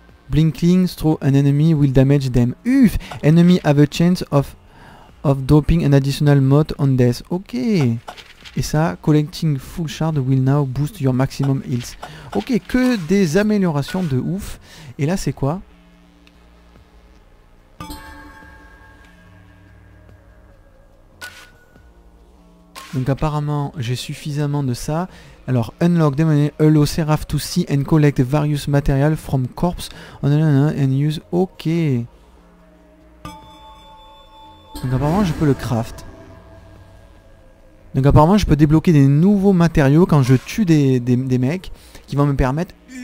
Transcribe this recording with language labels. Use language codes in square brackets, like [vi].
[en] Blinking through an enemy will damage them. Uff! Enemy have a chance of dropping an additional mot on death. Ok. [fr] Et ça, [en] collecting full shard will now boost your maximum heals. [fr] Ok, que des améliorations de ouf. Et là, c'est quoi? Donc apparemment, j'ai suffisamment de ça. Alors, [en] unlock demon, allow Seraph to see and collect various materials from corpse and use... [fr] Ok. Donc apparemment, je peux le craft. Donc apparemment, je peux débloquer des nouveaux matériaux quand je tue des mecs qui vont me permettre...